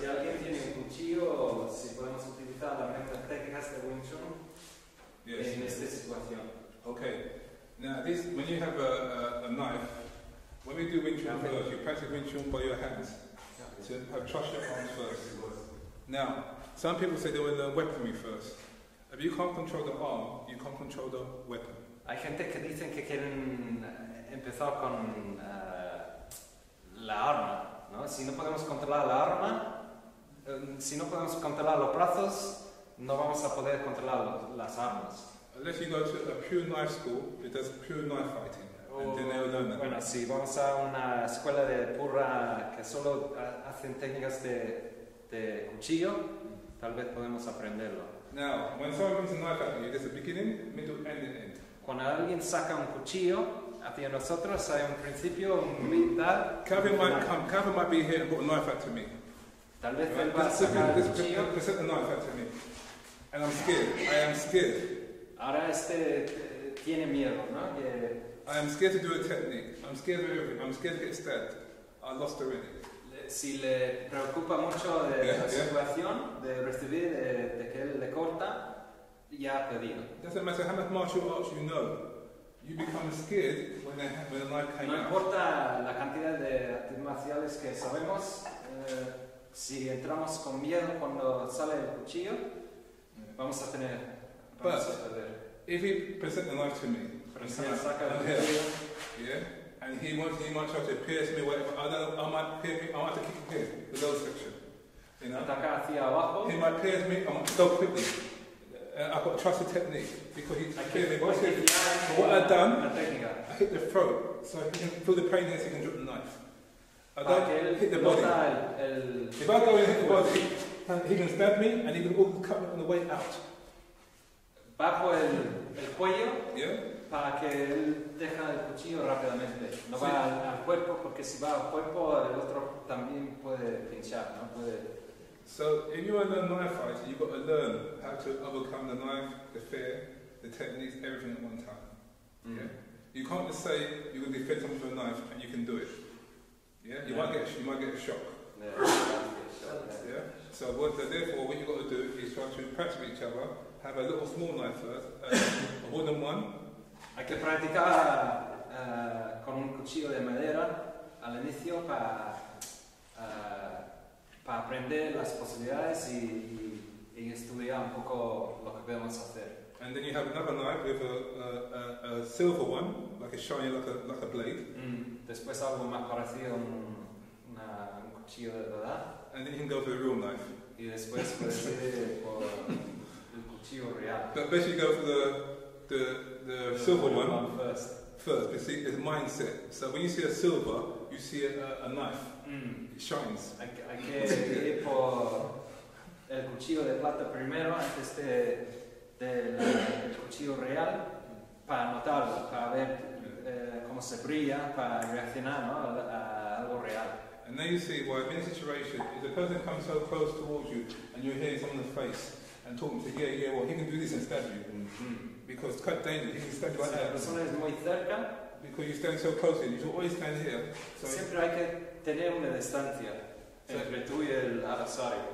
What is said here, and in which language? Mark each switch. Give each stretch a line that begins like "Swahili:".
Spanish: Si alguien tiene un cuchillo, si podemos utilizar las mismas técnicas de Wing Chun en esta situación.
English: Okay. Now this, when you have a knife, when we do Wing Chun first, you practice Wing Chun by your hands. So have trust your arms first. Now. Some people say they will learn weaponry first. If you can't control the arm, you can't control the weapon.
Spanish: Hay gente que dicen que quieren empezar con la arma, ¿no? Si no podemos controlar la arma, si no podemos controlar los brazos, no vamos a poder controlar las armas.
English: Unless you go to a pure knife school, it does pure knife fighting, and then they will learn that.
Spanish: Bueno, si vamos a una escuela de pura que solo hacen técnicas de cuchillo. Tal vez podemos aprenderlo.
English: Now, when someone brings a knife at you, there's a beginning, middle, and an end.
Spanish: Cuando alguien saca un cuchillo hacia nosotros, hay un principio, un mitad.
English: Calvin might be here and put a knife at me.
Spanish: Tal vez él va a sacar el cuchillo.
English: Present the knife at me. And I'm scared. I am scared.
Spanish: Ahora tiene miedo, ¿no?
English: I am scared to do a technique. I'm scared of everything. I'm scared to get stabbed. I lost already.
Spanish: Si le preocupa mucho de la situación de recibir de que él le corta, ya ha perdido.
English: Doesn't matter how much martial arts you know, you become scared when the knife came out.
Spanish: No importa la cantidad de artes marciales que sabemos, si entramos con miedo cuando sale el cuchillo, vamos a tener. Vamos
English: But
Spanish: a perder.
English: If he presents the knife to me, and he might try to pierce me, whatever. I might to kick him here, the low section. You know?
Spanish: Ataca hacia abajo.
English: He might pierce me, I'm so quickly. I've got a trusted technique, because he's clearly watching. What I've done,
Spanish: técnica.
English: I hit the throat, so he can feel the pain here, so he can drop the knife. I don't hit the body. If I go and hit the body, he can stab me, and he can also cut me on the way out.
Spanish: Bajo el cuello.
English: Yeah.
Spanish: Para que él deje el cuchillo rápidamente. No va al cuerpo, porque si va al cuerpo, el otro también puede pinchar, ¿no?
English: So, if you want to learn knife fighting, you've got to learn how to overcome the knife, the fear, the techniques, everything at one time. Yeah? You can't just say you're going to defend someone with a knife and you can do it. Yeah? You might get a shock. Yeah. So, therefore, what you've got to do is try to practice with each other, have a little small knife first, more than one.
Spanish: Hay que practicar con un cuchillo de madera al inicio para aprender las posibilidades y estudiar un poco lo que podemos hacer.
English: And then you have another knife with a silver one, like a shiny, like a blade.
Spanish: Después algo más parecido a un cuchillo de verdad.
English: And then you can go for a real knife.
Spanish: Y después puedes ir por el cuchillo real.
English: But basically you go for the silver one first, you see, it's a mindset. So when you see a silver, you see a knife. It shines.
Spanish: Hay que ir por el cuchillo de plata primero antes del cuchillo real para notarlo, para ver cómo. cómo se brilla para reaccionar, ¿no? A algo real.
English: And then you see, well, in a situation, if the person comes so close towards you and you hear someone's face and talk to him, yeah, yeah, well, he can do this and stab you. Because it's quite dangerous, he can stab you like that.
Spanish: Si la persona es muy cerca,
English: because you stand so close and you should always stand here. So
Spanish: siempre hay que tener una distancia entre tú y el adversario.